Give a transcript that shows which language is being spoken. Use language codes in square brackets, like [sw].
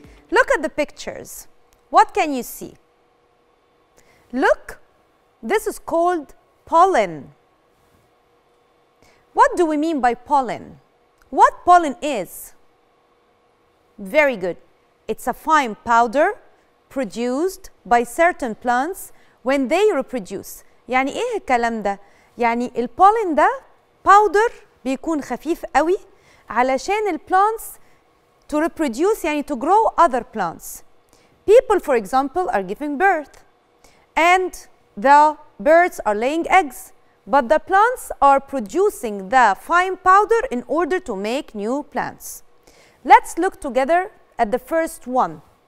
[en] Look at the pictures. What can you see? Look, this is called pollen. What do we mean by pollen? What pollen is? Very good. It's a fine powder produced by certain plants when they reproduce. [ar] يعني إيه الكلام ده؟ يعني البولن ده powder بيكون خفيف قوي علشان [en] plants to reproduce [ar] يعني [en] to grow other plants. People, for example, are giving birth and the birds are laying eggs. But the plants are producing the fine powder in order to make new plants. Let's look together at the first one.